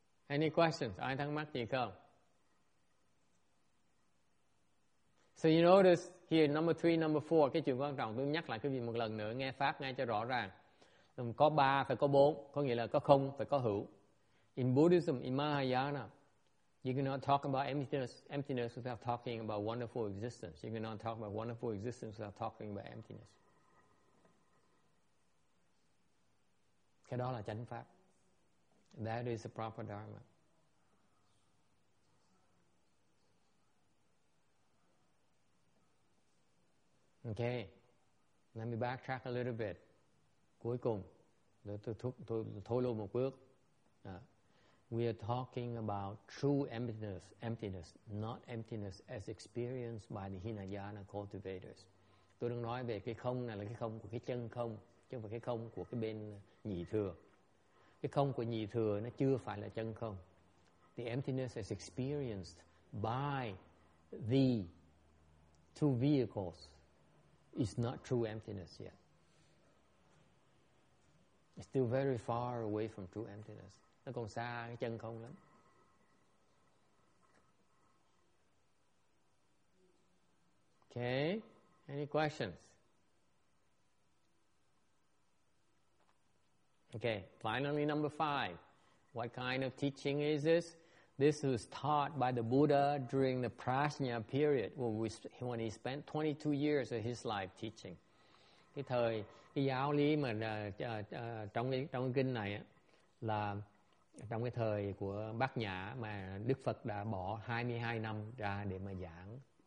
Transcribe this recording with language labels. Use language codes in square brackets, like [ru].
[en] Any questions? [vi] Ai thắc mắc gì không? [en] So you notice here, number three, number four, [vi] cái chuyện quan trọng tôi nhắc lại cái gì một lần nữa, nghe pháp nghe cho rõ ràng. Có ba phải có bốn, có nghĩa là có không phải có hữu. [en] In Buddhism, in Mahayana, you cannot talk about emptiness without talking about wonderful existence. You cannot talk about wonderful existence without talking about emptiness. [vi] Cái đó là chánh pháp. [en] That is the proper dharma. Okay, let me backtrack a little bit. [vi] Cuối cùng, tôi thôi lùi một bước. [en] We are talking about true emptiness, not emptiness as experienced by the Hinayana cultivators. [vi] Tôi đang nói về cái không này là cái không của cái chân không, chứ không phải cái không của cái bên nhị thừa. Cái không của nhị thừa nó chưa phải là chân không. [en] The emptiness is experienced by the two vehicles. It's not true emptiness yet. It's still very far away from true emptiness. [vi] Nó còn xa cái chân không lắm. [en] Okay, any questions? Okay, finally number five. What kind of teaching is this? This was taught by the Buddha during the Prajna period, when he spent 22 years of his life teaching. [vi] Cái thời cái giáo lý mà trong cái kinh này á, là trong cái thời của Bát Nhã mà Đức Phật đã bỏ 22 năm ra để mà giảng.